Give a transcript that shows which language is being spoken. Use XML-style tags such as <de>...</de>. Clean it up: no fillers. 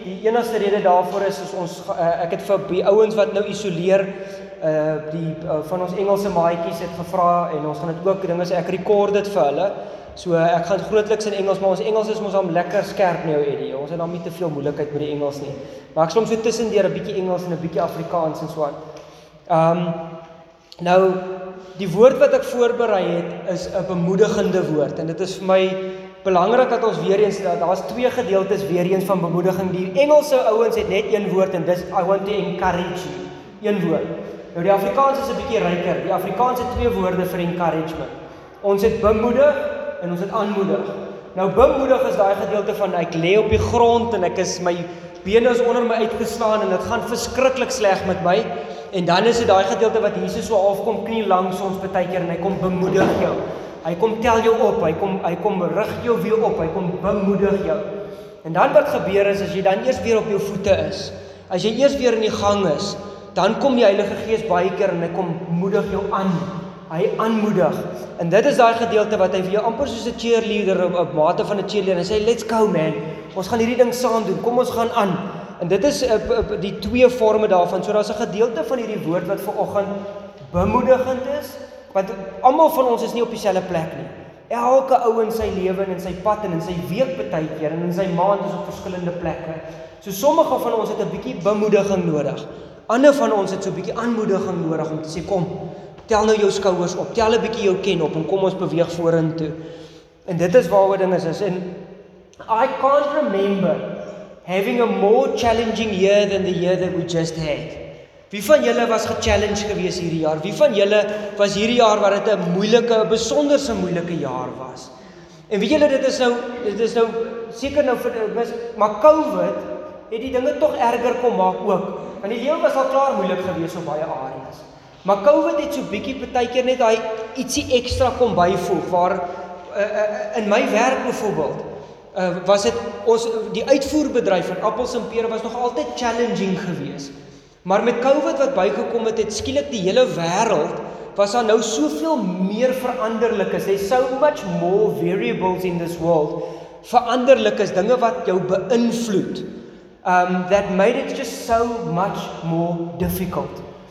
<af>Die enigste rede daarvoor is ons ek het vir die ouens wat nou isoleer van ons Engelse maatjies het gevra en ons gaan dit ook dinge sê ek record dit vir hulle. So ek gaan grootliks in Engels, maar ons Engels is mos al lekker skerp nou Eddie. Ons het dan nie te veel moeilikheid met die Engels nie. Maar ek soms so tussendeur 'n bietjie Engels en 'n bietjie Afrikaans en so aan. Nou die woord wat ek voorberei het is 'n bemoedigende woord en dit is vir my belangrik dat ons weer eens daar's twee gedeeltes weer eens van bemoediging. Die Engelse ouens het net een woord en dis</af> <en>I want to encourage you.</en> <af>Een woord. Nou die Afrikaans is 'n bietjie ryker. Die Afrikaans het twee woorde vir encouragement. Ons het bemoedig en ons het aanmoedig. Nou bemoedig is daai gedeelte van ek lê op die grond en ek is my bene is onder my uitgeslaan en dit gaan verskriklik sleg met my. En dan is dit daai gedeelte wat Jesus so afkom knie langs ons baie keer en hy kom bemoedig jou. Hy kom tel jou op, hy kom rig jou weer op, hy kom bemoedig jou. En dan wat gebeur is as jy dan eers weer op jou voete is, as jy eers weer in die gang is, dan kom die Heilige Gees baie keer en hy kom moedig jou aan. Hy aanmoedig. En dit is daai gedeelte wat hy vir jou amper soos 'n cheerleader op 'n mate van 'n cheerleader en hy sê</af> <en>let's go man.</en> <af>Ons gaan hierdie ding saam doen. Kom ons gaan aan. En dit is die twee forme daarvan. So daar's 'n gedeelte van hierdie woord wat vanoggend bemoedigend is, want almal van ons is nie op dieselfde plek nie. Elke ou in sy lewe en sy pad en in sy week baie keer en in sy maand is op verskillende plekke. So sommige van ons het 'n bietjie bemoediging nodig. Ander van ons het so 'n bietjie aanmoediging nodig om te sê kom, tel nou jou skouers op, tel 'n bietjie jou ken op en kom ons beweeg vorentoe. En dit is waaroor dinge is.</af> <en>En I can't remember having a more challenging year than the year that we just had.</en> <af>Wie van julle was ge-challenged gewees hierdie jaar? Wie van julle was hierdie jaar wat dit 'n moeilike, besonderse moeilike jaar was? En weet julle, dit is nou seker nou maar COVID het die dinge tog erger kom maak ook. Want die lewe was al klaar moeilik gewees op baie areas. Maar COVID het so bietjie partykeer net daai ietsie ekstra kom byvoeg waar in my werk byvoorbeeld was dit ons die uitvoerbedryf van appels en pere was nog altyd challenging geweest. Maar met COVID wat bygekom het, het skielik die hele wêreld was daar nou soveel meer veranderlikes.</af> <en>There's so much more variables in this world.</en> <af>Veranderlikes, dinge wat jou beïnvloed.</af> <en>That made it just so much more difficult.</en>